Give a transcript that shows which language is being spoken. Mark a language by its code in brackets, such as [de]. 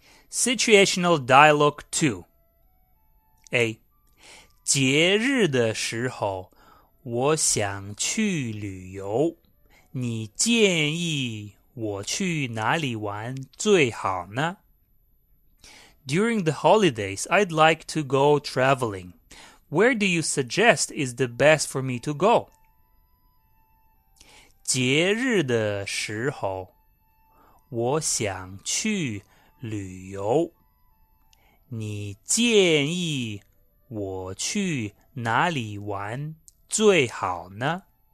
[en] Situational Dialogue 2 A. [zh] 节日的时候，我想去旅游，你建议我去哪里玩最好呢？ [en] During the holidays, I'd like to go traveling. Where do you suggest is the best for me to go? [zh] 节日的时候，我想去旅游。你建议我去哪里玩最好呢？